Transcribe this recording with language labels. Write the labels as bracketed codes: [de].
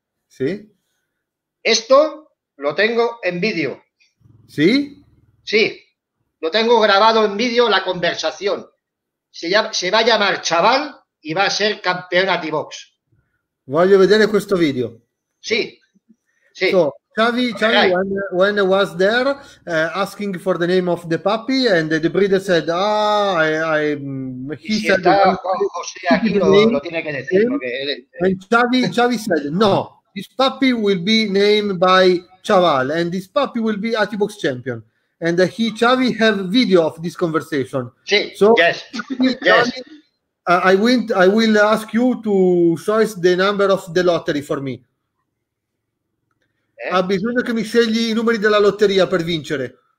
[es] ¿Sí? Esto lo tengo en vídeo. ¿Sí? Sí. Lo tengo grabado en vídeo, la conversación. Se va a llamar Chaval y va a ser campeón a T-Box. [it] Voglio vedere questo video. [es] Sí. Sí. [en] So. Xavi, okay. When I was there asking for the name of the puppy, and the breeder said, Xavi said, no, this puppy will be named by Chaval, and this puppy will be Atibox champion. And Xavi have video of this conversation. Sí. So, yes. Yes. I will ask you to show us the number of the lottery for me. [it] Ha bisogno che mi scegli i numeri della lotteria per vincere.